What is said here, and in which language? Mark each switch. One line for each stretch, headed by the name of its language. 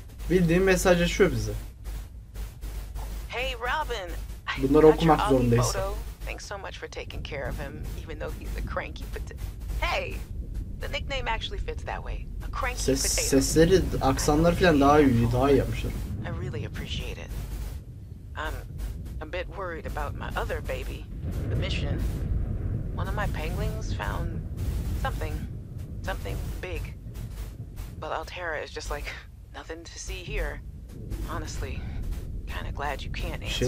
Turkish: Bildiğin mesajlaşıyor bize.
English: Hey, Robin.
Turkish: Bunları okumak zorundayız.
English: Thanks so much for taking care of him, even though he's a cranky Hey! The nickname actually fits that way. A cranky potato.
Turkish: Sesleri, aksanlar falan daha iyi, daha iyi yapmışlar.
English: I really appreciate it. I'm a bit worried about my other baby, the mission. One of my penguins found something. Something big. But Altera is just like, nothing to see here. Honestly, kind of glad you can't answer